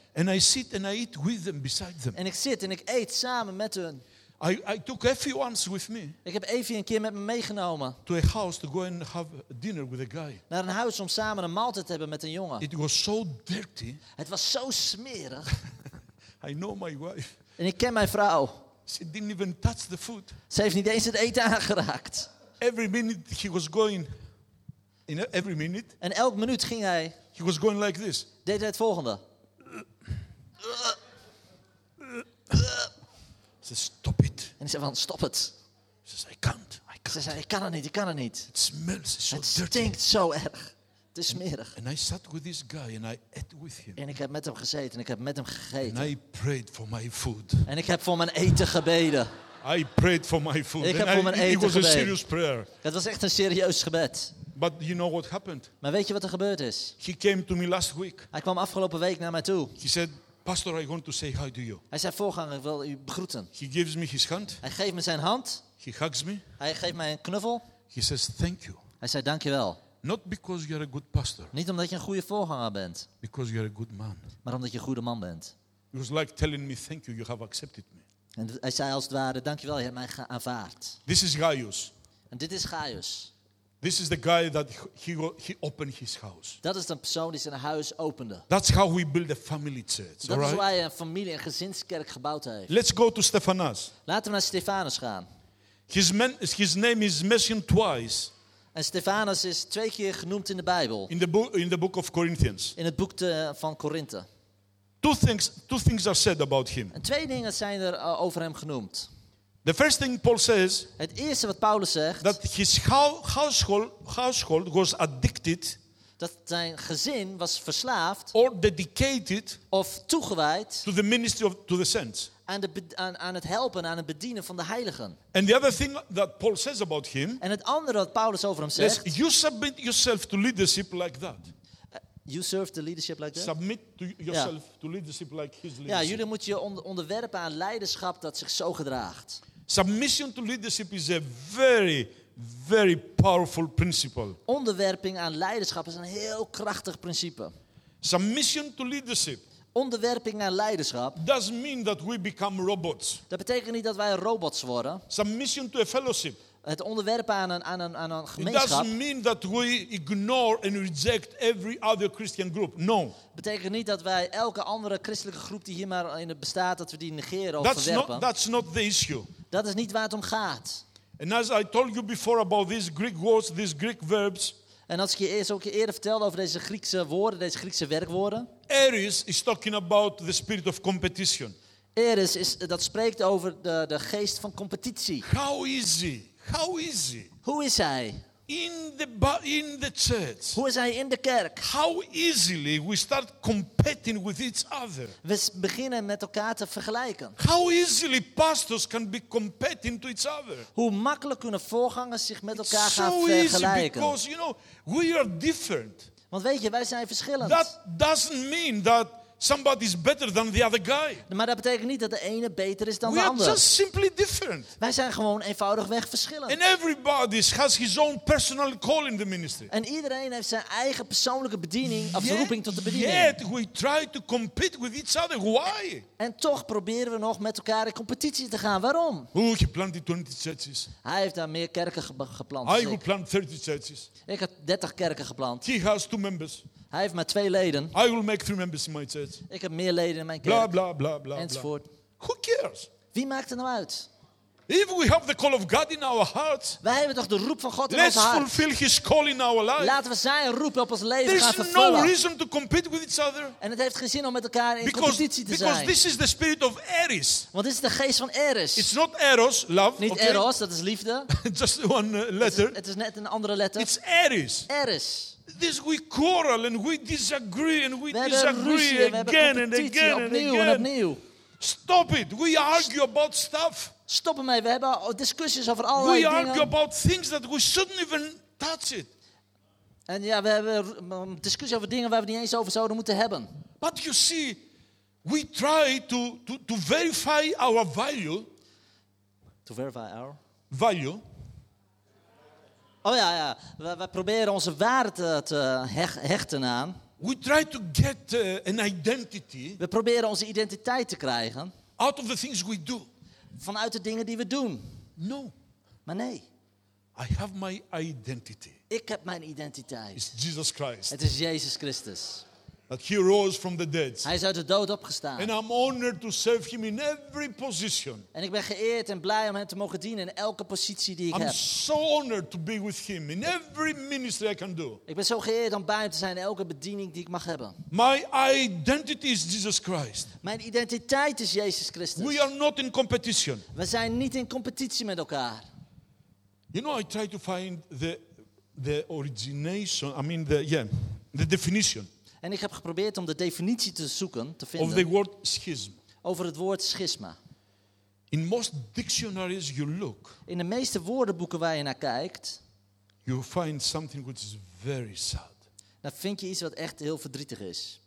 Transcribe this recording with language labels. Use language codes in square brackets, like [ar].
[en] And I sit and I eat with them beside them. [nl] En ik zit en ik eet samen met hun. [en] I took Effie once with me. [nl] Ik heb Effie een keer met me meegenomen. [en] To a house to go and have dinner with a guy. [nl] Naar een huis om samen een maaltijd te hebben met een jongen. [en] It was so dirty. [nl] Het was zo smerig. [en] I know my wife. [nl] En ik ken mijn vrouw. [en] She didn't even touch the food. [nl] Ze heeft niet eens het eten aangeraakt. [en] Every minute he was going. In every minute. [nl] En elk minuut ging hij. [en] He was going like this. [nl] Deed hij het volgende. Ze zei, [en] stop it. [nl] En hij zei van, stop het. Ze zei, [en] I can't. I can't. [nl] Ze zei, ik kan het niet, ik kan het niet. [en] It smells so [nl] het stinkt [en] dirty. [nl] Zo erg. Het is smerig. [en] And I sat with this guy and I ate with him. [nl] En ik heb met hem gezeten en ik heb met hem gegeten. [en] And I prayed for my food. [nl] En ik heb voor mijn eten gebeden. [en] I prayed for my food. [nl] Ik heb voor mijn eten gebeden. [en] It was a serious prayer. [nl] Het was echt een serieus gebed. [en] But you know what happened? [nl] Maar weet je wat er gebeurd is? [en] He came to me last week. [nl] Hij kwam afgelopen week naar mij toe. [en] He said, Pastor, I want to say hi to you. [nl] Hij zei, voorganger, ik wil u begroeten. [en] He gives me his hand. [nl] Hij geeft me zijn hand. [en] He hugs me. [nl] Hij geeft mij een knuffel. [en] He says, thank you. [nl] Hij zei, dankjewel. [en] Not because you're a good pastor. [nl] Niet omdat je een goede voorganger bent. [en] Because you're a good man. [nl] Maar omdat je een goede man bent. [en] It was like telling me, thank you, you have accepted me. [nl] En hij zei als het ware, dankjewel, je hebt mij aanvaard. [en] This is Gaius. [nl] En dit is Gaius. [en] This is the guy that he opened his house. [nl] Dat is de persoon die zijn huis opende. [en] That's how we build a family church. [nl] Dat [en] right? [nl] is hoe hij een familie en gezinskerk gebouwd heeft. [en] Let's go to Stefanas. [nl] Laten we naar Stefanas gaan. [en] His name is mentioned twice. [nl] En Stefanas is twee keer genoemd in de Bijbel. [en] In the book of Corinthians. [nl] In het boek van Korinthe. [en] Two things are said about him. [nl] En twee dingen zijn er over hem genoemd. [en] The first thing Paul says, [nl] het eerste wat Paulus zegt, [en] that his household was addicted, [nl] dat zijn gezin was verslaafd, [en] or dedicated, [nl] of toegewijd, [en] to the ministry of to the saints, [nl] aan het helpen, aan het bedienen van de heiligen. [en] And the other thing that Paul says about him, [nl] en het andere wat Paulus over hem zegt, [en] is you submit yourself to leadership like that. You serve the leadership like that? Submit to yourself yeah. to leadership like his leadership. [nl] Ja, jullie moeten je onderwerpen aan leiderschap dat zich zo gedraagt. [en] Submission to leadership is a very, very powerful principle. [nl] Onderwerping aan leiderschap is een heel krachtig principe. [en] Submission to leadership. [nl] Onderwerping aan leiderschap. [en] Doesn't mean that we become robots. [nl] Dat betekent niet dat wij robots worden. [en] Submission to a fellowship. [nl] Het onderwerpen aan een gemeenschap. [en] It doesn't mean that we ignore and reject every other Christian group. No. [nl] Betekent niet dat wij elke andere christelijke groep die hier maar in het bestaat dat we die negeren of verwerpen. [en] That's not the issue. [nl] Dat is niet waar het om gaat. [en] And as I told you before about these Greek words, these Greek verbs. [nl] En als ik je eerst ook eerder vertelde over deze Griekse woorden, deze Griekse werkwoorden. [en] Ares is talking about the spirit of competition. [nl] Ares is dat spreekt over de geest van competitie. [en] How easy. How is he? Who is [nl] hij? [en] In the church. [nl] Hoe is hij in de kerk? [en] How easily we start competing with each other. [nl] We beginnen met elkaar te vergelijken. [en] How easily pastors can be competing to each other. [nl] Hoe makkelijk kunnen voorgangers zich met elkaar [en] It's [nl] gaan [en] so [nl] vergelijken? [en] Easy because you know we are different. [nl] Want weet je, wij zijn verschillend. [en] That doesn't mean that somebody is better than the other guy. [nl] Maar dat betekent niet dat de ene beter is dan [en] we [nl] de ander. [en] We are just simply different. [nl] Wij zijn gewoon eenvoudigweg verschillend. [en] And everybody has his own personal call in the ministry. [nl] En iedereen heeft zijn eigen persoonlijke bediening of roeping tot de bediening. [en] Yet we try to compete with each other. Why? [nl] En toch proberen we nog met elkaar in competitie te gaan. Waarom? [en] Who planted 20 churches? [nl] Hij heeft daar meer kerken geplant. [en] I will plant 30 churches. [nl] Ik heb 30 kerken geplant. [en] He has 2 members. [nl] Hij heeft maar 2 leden. [en] I will make 3 members in my church. [nl] Ik heb meer leden in mijn kerk. Bla bla bla bla. Enzovoort. [en] Who cares? [nl] Wie maakt het nou uit? [en] If we have the call of God in our hearts. [nl] Wij hebben toch de roep van God in ons hart. [en] Let's fulfill His call in our life. [nl] Laten we zijn roep op ons leven [en] There's [nl] gaan vervullen. [en] There's no reason to compete with each other. [nl] En het heeft geen zin om met elkaar in competitie te zijn. [en] Because this is the spirit of Eros. [nl] Want dit is de geest van Eros. [en] It's not Eros, love. [nl] Niet [en] okay? [nl] Eros, dat is liefde. [en] Just one letter. [nl] Het is net een andere letter. [en] It's Eros. [nl] Eros. [en] This we quarrel and we disagree and we disagree [nl] ruzie, [en] again and again [nl] opnieuw, [en] and again. [nl] Opnieuw. [en] Stop it. We argue about stuff. [nl] Stop ermee. We hebben discussies over allerlei [en] we [nl] dingen. [en] We argue about things that we shouldn't even touch it. [nl] En ja, we hebben discussies over dingen waar we niet eens over zouden moeten hebben. [en] But you see, we try to verify our value. To verify our value. [nl] Oh ja, ja. Wij proberen onze waarde te hechten aan. [en] We try to get an identity. [nl] We proberen onze identiteit te krijgen. [en] Out of the things we do. [nl] Vanuit de dingen die we doen. [en] No. [nl] Maar nee. [en] I have my identity. [nl] Ik heb mijn identiteit. [en] It's Jesus Christ. [nl] Het is Jezus Christus. [en] That he rose from the dead. [nl] Hij is uit de dood opgestaan. [en] And I'm honored to serve him in every position. [nl] En ik ben geëerd en blij om hem te mogen dienen in elke positie die ik [en] I'm [nl] heb. [en] I'm so honored to be with him in every ministry I can do. [nl] Ik ben zo geëerd om bij hem te zijn in elke bediening die ik mag hebben. [en] My identity is Jesus Christ. [nl] Mijn identiteit is Jezus Christus. [en] We are not in competition. [nl] We zijn niet in competitie met elkaar. [en] You know, I try to find the origination. I mean, the definition. [nl] En ik heb geprobeerd om de definitie te zoeken, te vinden. [en] Of the word schism. [nl] Over het woord schisma. [en] In most dictionaries you look. [nl] In de meeste woordenboeken waar je naar kijkt. [en] You find something which is very sad. [nl] Dan vind je iets wat echt heel verdrietig is.